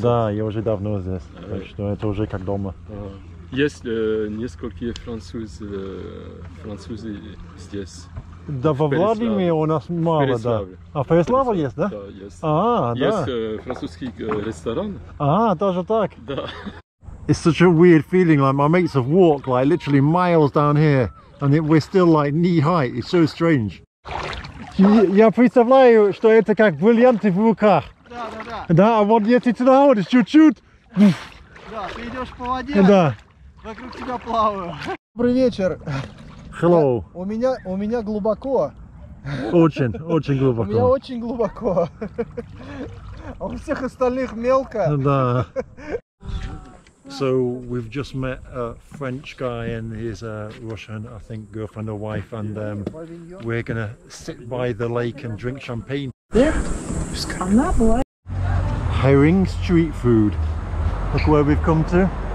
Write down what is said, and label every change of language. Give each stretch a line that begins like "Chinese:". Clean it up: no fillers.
Russian: Да, я уже давно здесь. Так что это уже как дома. Есть несколько французы здесь. Да, во Владимире у нас мало, да. А в Переславле есть, да? Да, есть. А, да. Есть французский ресторан. А, даже так? Да.
English: It's such a weird feeling, like my mates have walked like literally miles down here and we're still like knee high. It's so strange.
Russian: Я представляю, что это как бриллианты в руках. Да, да, да. Да, а вот если ты находишь чуть-чуть. Да, ты идешь по воде. Да. Вокруг тебя плаваю. Добрый вечер.
English: Hello.
Russian: У меня глубоко. Очень глубоко. У меня очень глубоко. А у всех остальных мелко. Да.
English: So we've just met a French guy and his Russian, I think, girlfriend or wife, and we're gonna sit by the lake and drink champagne. Yeah. I'm that boy. Herring street food. Look where we've come to.